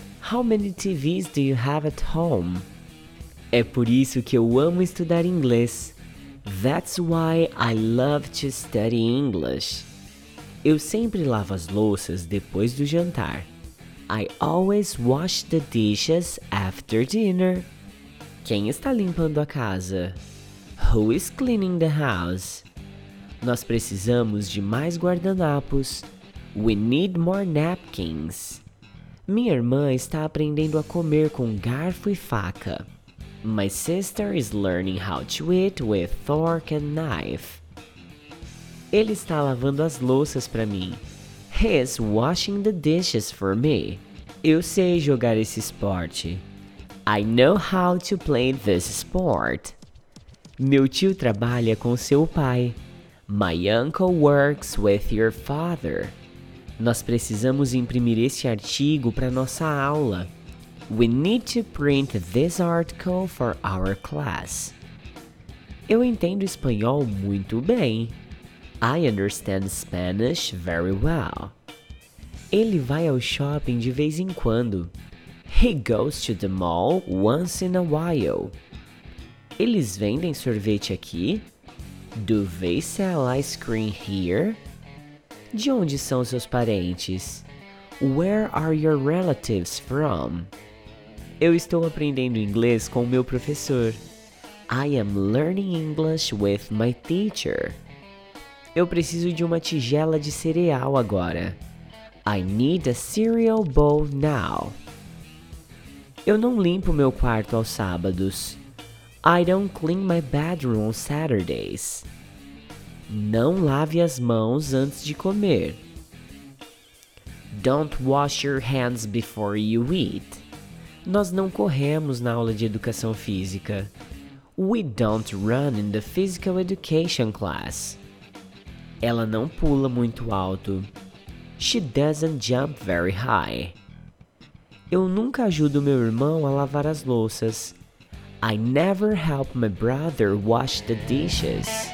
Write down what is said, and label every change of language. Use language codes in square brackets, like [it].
[en] How many TVs do you have at home? [pt] É por isso que eu amo estudar inglês. [en] That's why I love to study English. [pt] Eu sempre lavo as louças depois do jantar. [en] I always wash the dishes after dinner. [pt] Quem está limpando a casa? [en] Who is cleaning the house? [pt] Nós precisamos de mais guardanapos. [en] We need more napkins. [pt] Minha irmã está aprendendo a comer com garfo e faca. My sister is learning how to eat with fork and knife. Ele está lavando as louças para mim. [en] He is washing the dishes for me. [pt] Eu sei jogar esse esporte. [en] I know how to play this sport. [pt] Meu tio trabalha com seu pai. [en] My uncle works with your father. [pt] Nós precisamos imprimir esse artigo para nossa aula. [en] We need to print this article for our class. [pt] Eu entendo espanhol muito bem. [en] I understand Spanish very well. [pt] Ele vai ao shopping de vez em quando. [en] He goes to the mall once in a while. [pt] Eles vendem sorvete aqui? [en] Do they sell ice cream here? [pt] De onde são seus parentes? [en] Where are your relatives from? [pt] Eu estou aprendendo inglês com meu professor. [en] I am learning English with my teacher. [pt] Eu preciso de uma tigela de cereal agora. [en] I need a cereal bowl now. [pt] Eu não limpo meu quarto aos sábados. [en] I don't clean my bedroom on Saturdays. [pt] Não lave as mãos antes de comer. [en] Don't wash your hands before you eat. [pt] Nós não corremos na aula de educação física. [en] We don't run in the physical education class. [pt] Ela não pula muito alto. [en] She doesn't jump very high. [pt] Eu nunca ajudo meu irmão a lavar as louças. [en] I never help my brother wash the dishes.